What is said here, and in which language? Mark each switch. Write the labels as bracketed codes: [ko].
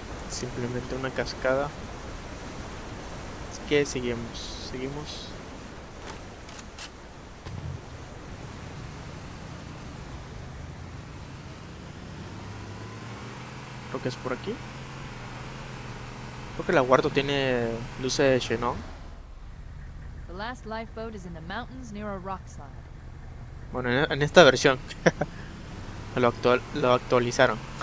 [es] Simplemente una cascada. Así que seguimos, seguimos. Creo que es por aquí. Creo que el aguardo tiene luces de xenón. [en] The last lifeboat is in the mountains near a rock slide. [es] Bueno, en esta versión lo actualizaron.